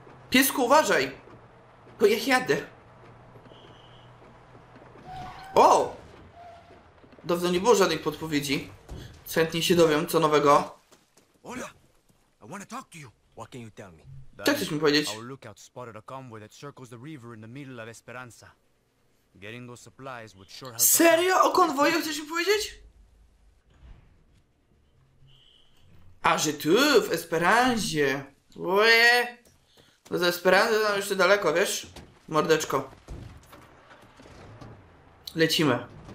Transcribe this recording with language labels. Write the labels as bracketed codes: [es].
[pl] Piesku, uważaj! Bo ja jadę. O! Dawno nie było żadnych podpowiedzi. Chętnie się dowiem, co nowego. [en] Ola! I wanna talk to you! What can you tell me? [pl] Co chcesz mi powiedzieć? [en] Our lookout spotted a convoy that circles the river in the middle of Esperanza. Getting those supplies would sure help. [pl] Serio? O konwoju chcesz mi powiedzieć? A, że tu, w Esperanzie. Oje! To ze Esperanza tam jeszcze daleko, wiesz? Mordeczko. Lecimy.